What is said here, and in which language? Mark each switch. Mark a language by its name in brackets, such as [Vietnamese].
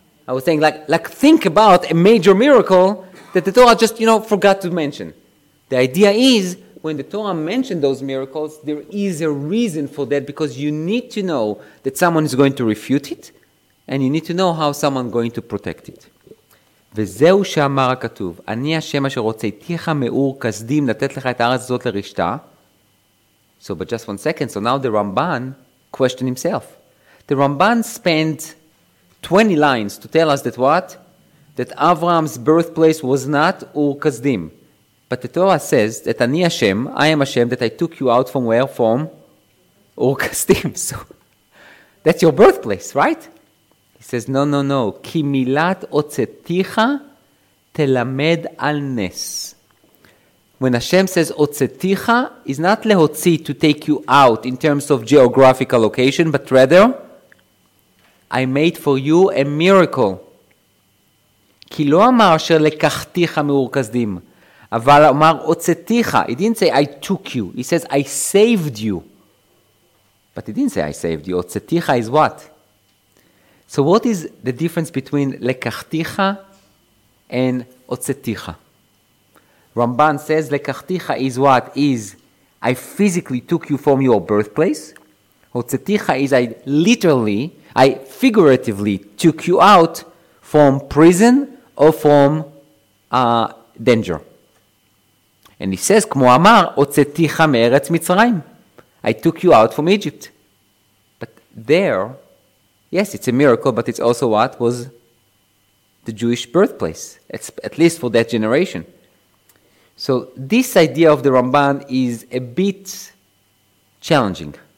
[English] I was saying, like, think about a major miracle that the Torah just, you know, forgot to mention. The idea is, when the Torah mentioned those miracles, there is a reason for that, because you need to know that someone is going to refute it, and you need to know how someone is going to protect it. [Hebrew] וזהו שאמר הכתוב, אני השם אשר הוצאתיך מאור כסדים לתת לך את הארץ הזאת לרשתה. [English] So, but just one second, so now the Ramban questioned himself. The Ramban spent 20 lines to tell us that what? That Avraham's birthplace was not Ur Kasdim. But the Torah says that [Hebrew] אני השם, [English] I am השם, that I took you out from where? From Ur Kasdim. So, that's your birthplace, right? He says, no. [Hebrew] כי מילת הוצאתיך תלמד על נס. [English] When Hashem says, הוצאתיך, is not [Hebrew] להוציא, [English] to take you out in terms of geographical location, but rather, I made for you a miracle. [Hebrew] כי לא אמר אשר לקחתיך מאור כסדים, אבל אמר הוצאתיך. [English] He didn't say, I took you. He says, I saved you. But he didn't say, I saved you. הוצאתיך is what? So what is the difference between lekachticha and otzeticha? Ramban says lekachticha is what? Is I physically took you from your birthplace. Hotzeticha is I figuratively took you out from prison or from danger. And he says, [Hebrew] כמו אמר, הוצאתיך מארץ מצרים. [English] I took you out from Egypt. But there, yes, it's a miracle, but it's also what was the Jewish birthplace, at least for that generation. So this idea of the Ramban is a bit challenging.